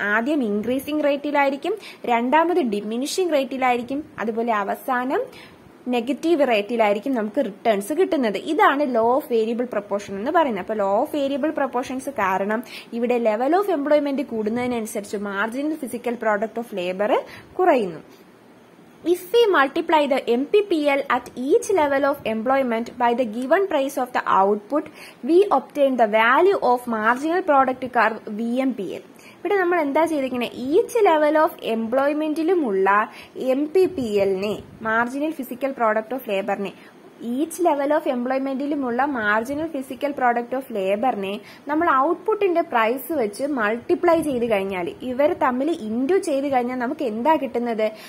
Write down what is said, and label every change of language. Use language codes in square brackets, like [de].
[ml] ആദ്യം ഇൻക്രീസിംഗ് റേറ്റിലായിരിക്കും, രണ്ടാമത് ഡിമിനിഷിംഗ് റേറ്റിലായിരിക്കും, അതുപോലെ അവസാനം നെഗറ്റീവ് റേറ്റിലായിരിക്കും നമുക്ക് റിട്ടേൺസ് കിട്ടുന്നത്. ഇതാണ് ലോ ഓഫ് വേരിയബിൾ പ്രൊപ്പോർഷൻ എന്ന് പറയുന്നത്. അപ്പൊ ലോ ഓഫ് വേരിയബിൾ പ്രൊപ്പോർഷൻസ് കാരണം ഇവിടെ ലെവൽ ഓഫ് എംപ്ലോയ്മെന്റ് കൂടുന്നതിനനുസരിച്ച് marginal physical product of labour കുറയുന്നു. [en] If we multiply the MPPL at each level of employment by the given price of the output, we obtain the value of marginal product curve VMPL. [ml] ഇവിടെ നമ്മൾ എന്താ ചെയ്തിരിക്കുന്നത്? Each level of എംപ്ലോയ്മെന്റിലുമുള്ള M P P എല്ലിനെ, marginal physical product of ലേബറിനെ, each level of എംപ്ലോയ്മെന്റിലുമുള്ള marginal physical product of ലേബറിനെ നമ്മൾ ഔട്ട്പുട്ടിന്റെ price വെച്ച് multiply ചെയ്ത് കഴിഞ്ഞാൽ, ഇവർ തമ്മിൽ ഇൻഡ്യൂ ചെയ്ത് കഴിഞ്ഞാൽ നമുക്ക് എന്താ കിട്ടുന്നത്?